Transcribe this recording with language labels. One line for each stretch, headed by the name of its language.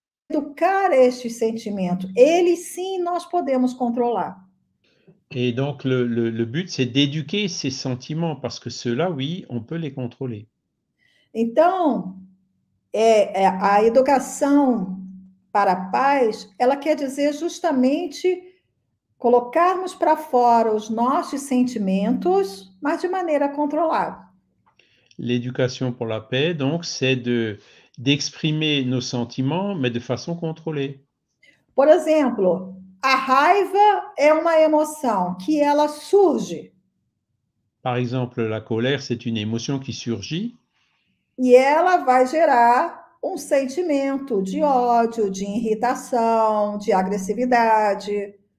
Portuguese: Educar estes sentimentos, eles sim nós podemos controlar.
French: Et donc, le but, c'est d'éduquer ces sentiments, parce que ceux-là, oui, on peut les contrôler.
Portuguese: Então, a educação para a paz, ela quer dizer justamente colocarmos para fora os nossos sentimentos, mas de maneira controlada.
French: L'éducation pour la paix, donc, c'est d'exprimer nos sentiments, mais de façon contrôlée.
Portuguese: Por exemplo, a raiva é uma emoção que ela surge.
French: Par exemple, la colère, c'est une émotion qui surgit.
Portuguese: E ela vai gerar um sentimento de ódio, de irritação, de agressividade.